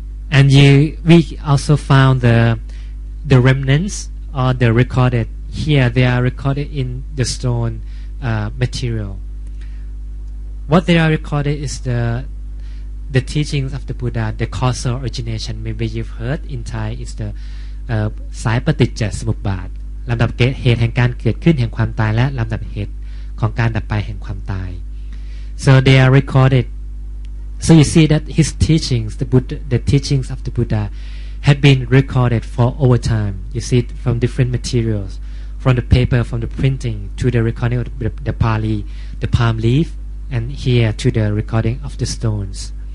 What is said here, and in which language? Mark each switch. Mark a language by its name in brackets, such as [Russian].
[English] And we also found the remnants or the recorded here. They are recorded in the stone material. What they are recorded is the teachings of the Buddha, the causal origination. Maybe you've heard in Thai is the Saipaticca Samuppada, [Thai] ลำดับเหตุแห่งการเกิดขึ้นแห่งความตายและลำดับเหตุของการดับไปแห่งความตาย [English] so they are recorded. So you see that his teachings, the teachings of the Buddha, have been recorded for over time. You see it from different materials, from the paper, from the printing, to the recording of the Pali, the palm leaf, and here to the recording of the stones.